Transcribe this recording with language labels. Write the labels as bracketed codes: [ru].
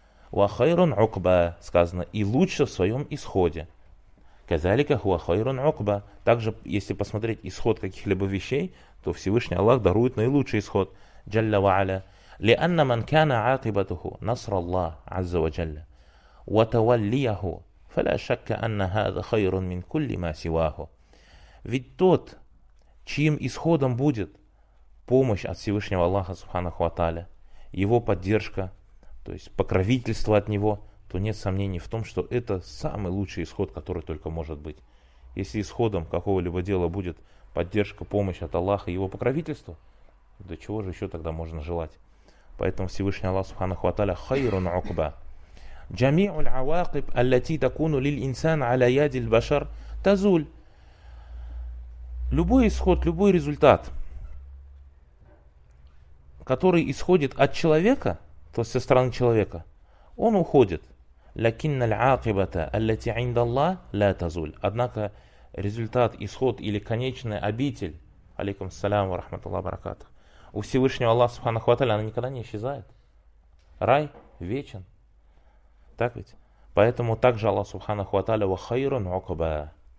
[ar] «Ва хайрун укба», [ru] сказано, и лучше в своем исходе. [ar] «Казалика хуа хайрун укба». [ru] Также, если посмотреть исход каких-либо вещей, то Всевышний Аллах дарует наилучший исход. «Джалля ва аля». [ar] «Лианна ман кана акибатуху наср Аллах, азза ва джалля». وتوليه فلا شك أن هذا خير من كل ما سواه. [ru] Ведь тот, чьим исходом будет помощь от Всевышнего Аллаха Субханаху ва Тааля, его поддержка, то есть покровительство от него, то нет сомнений в том, что это самый лучший исход, который только может быть. Если исходом какого-либо дела будет поддержка, помощь от Аллаха и его покровительство, то чего же еще тогда можно желать? Поэтому Всевышний Аллах Субханаху ва Тааля хайрун укба. [ar] جميع العواقب التي تكون للإنسان على يد البشر تزول. [ru] Любой исход, любой результат, который исходит от человека, то есть со стороны человека, он уходит. [ar] لكن العاقبة التي عند الله لا تزول. [ru] Однако результат, исход или конечная обитель, [ar] алейкум ассалям ва рахматуллах баракатух, [ru] у Всевышнего Аллаха Субханаху ва Тааля, она никогда не исчезает. Рай вечен. Так ведь? Поэтому также Аллах Субханаху ва Тааля ва хайрун укба.